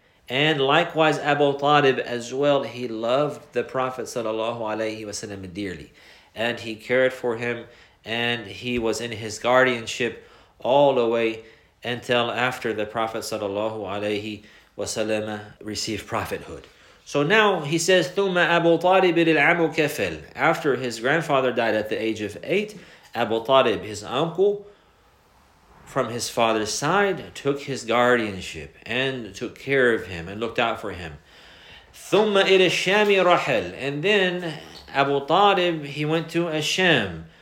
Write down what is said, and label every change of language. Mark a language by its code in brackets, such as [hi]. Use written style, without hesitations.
[en] And likewise, Abu Talib as well, he loved the Prophet sallallahu alayhi wa sallam dearly. And he cared for him and he was in his guardianship all the way until after the Prophet sallallahu alayhi wa sallam received prophethood. So now he says, [ar] ثُمَّ أَبُو طَالِبِ الْعَمُ كَفِلْ. [en] After his grandfather died at the age of 8, Abu Talib, his uncle, from his father's side, took his guardianship and took care of him and looked out for him. [ar] ثُمَّ إِلَى الشَّامِ رَحَلْ. [en] And then Abu Talib, he went to Asham.